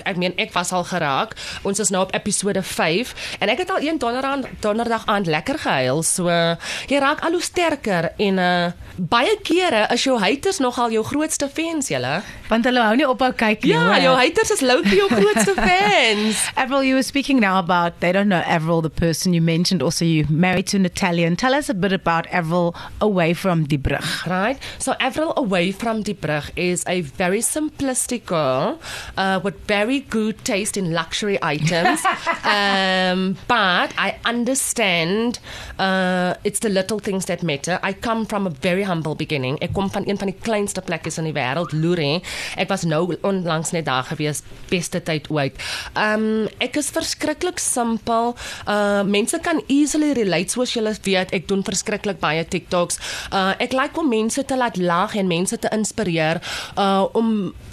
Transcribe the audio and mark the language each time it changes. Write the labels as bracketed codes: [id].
[af] Ek meen, ek was al geraak. Ons is nou op episode 5. En ek het al een donderdag aan lekker gehuil, so jy raak al hoe sterker en baie kere is jou haters nogal jou grootste fans, julle. Want hulle hou nie ophou kyk nie. Ja, hoor. Jou haters is loutie jou grootste fans. [en] Avril, you were speaking now about, they don't know Avril, the person you mentioned, also you married to an Italian. Tell us a bit about Avril away from Die Brug. Right, so Avril away from Die Brug is a very simplistic girl with very good taste in luxury items. but I understand it's the little things that matter. I come from a very humble beginning. [af] Ek kom van een van die kleinste plekjes in die wereld, Loerie. Ek was nou onlangs net daar gewees, beste tyd ooit. Ek is verskriklik simpel. Mense kan easily relate, soos julle weet. Ek doen verskriklik baie TikToks. Ek like om mense te laat lag en mense te inspireer om